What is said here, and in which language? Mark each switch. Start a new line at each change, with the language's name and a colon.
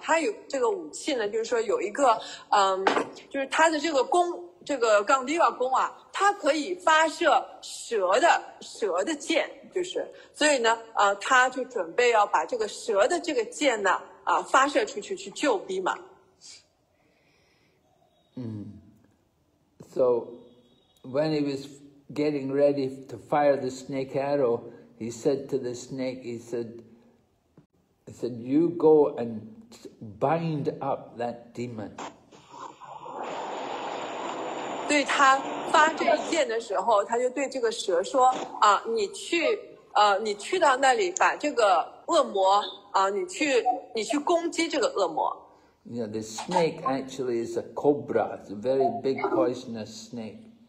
Chinese: 他有这个武器呢，就是说有一个，就是他的这个弓，这个Gandiva弓啊，它可以发射蛇的箭，就是。所以呢，他就准备要把这个蛇的这个箭呢，发射出去去救Bhima。
English: So when he was getting ready to fire the snake arrow, he said to the snake, he said, you go and bind up that demon.
Chinese: 对他发这一箭的时候，他就对这个蛇说，你去到那里把这个恶魔，你去攻击这个恶魔。
English: You know, the snake actually is a cobra, it's a very big poisonous snake.